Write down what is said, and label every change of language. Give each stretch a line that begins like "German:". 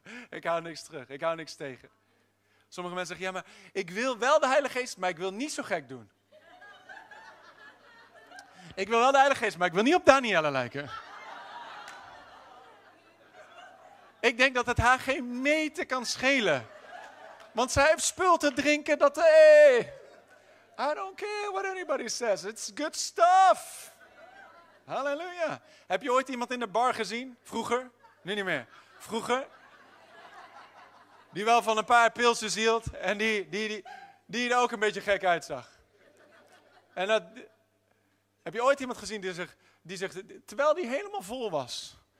Dutch: Ik hou niks terug, ik hou niks tegen. Sommige mensen zeggen, ja, maar ik wil wel de Heilige Geest, maar ik wil niet zo gek doen. Ik wil wel de Heilige Geest, maar ik wil niet op Danielle lijken. Ik denk dat het haar geen meter kan schelen. Want zij heeft spul te drinken dat...
English: I don't care what anybody says. It's good stuff. Halleluja.
Dutch: Heb je ooit iemand in de bar gezien? Vroeger? Nu niet meer. Vroeger? Die wel van een paar pilsen hield. En die er ook een beetje gek uitzag. En dat... Heb je ooit iemand gezien die zich... Terwijl die helemaal vol was.